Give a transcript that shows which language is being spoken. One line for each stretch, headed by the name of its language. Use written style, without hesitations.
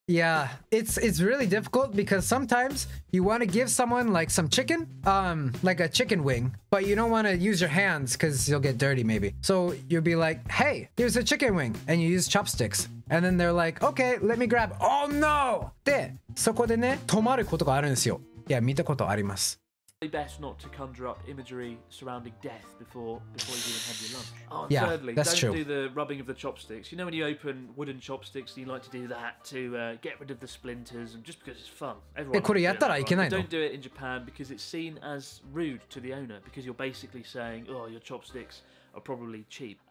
English: Yeah, it's really difficult because sometimes you want to give someone like some chicken, like a chicken wing, but you don't want to use your hands because you'll get dirty maybe. So you'll be like, hey, here's a chicken wing, and you use chopsticks. And then they're like, okay, let me grab. Oh no!
Japanese: で、そこでね、止まることがあるんですよ。いや、見たことあります。
English: Best not to conjure up imagery surrounding death before you even have your lunch. Oh, yeah, thirdly, that's don't true. Don't do the rubbing of the chopsticks. You know when you open wooden chopsticks and you like to do that to get rid of the splinters and just because it's fun. Don't do it in Japan because it's seen as rude to the owner because you're basically saying, oh, your chopsticks are probably cheap.